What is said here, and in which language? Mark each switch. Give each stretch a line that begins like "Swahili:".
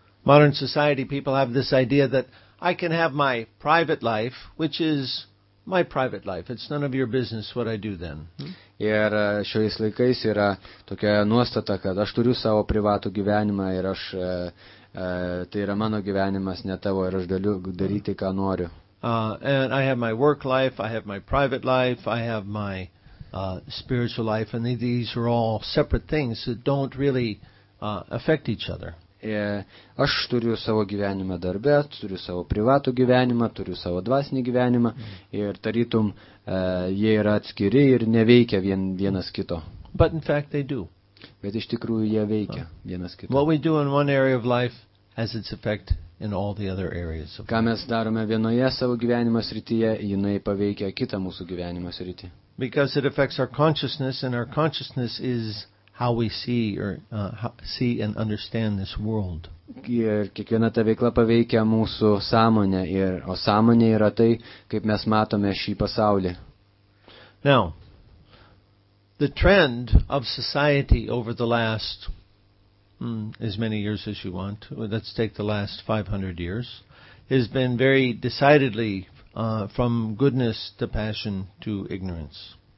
English: Modern society people have this idea that I can have my private life, which is my private life. It's none of your business what I do then.
Lithuanian: Ir šiais laikais yra tokia nuostata, kad aš turiu savo privatų gyvenimą ir aš tai yra mano gyvenimas, ne tavo, ir aš galiu daryti ką noriu.
English: And I have my work life, I have my private life, I have my spiritual life, and these are all separate things that don't really affect each other.
Lithuanian: Aš turiu savo gyvenimą darbę, turiu savo privatų gyvenimą, turiu savo dvasinį gyvenimą ir tarytum jie yra atskiri ir neveikia vienas kito.
English: But in fact they do.
Lithuanian: Bet iš tikrųjų jie veikia vienas kito.
English: What we do in one area of life has its effect in all the other areas of life.
Lithuanian: Ką mes darome vienoje savo gyvenimo srityje, jinai paveikia kitą mūsų gyvenimo sritį.
English: Because it affects our consciousness, and our consciousness is how we see or see and understand this world.
Lithuanian: Ir kiekviena ta veikla paveikia mūsų sąmonę, ir o sąmonė yra tai, kaip mes matome šį pasaulį.
English: Now, the trend of society over the last as many years as you want, let's take the last 500 years, has been very decidedly from goodness to passion to ignorance.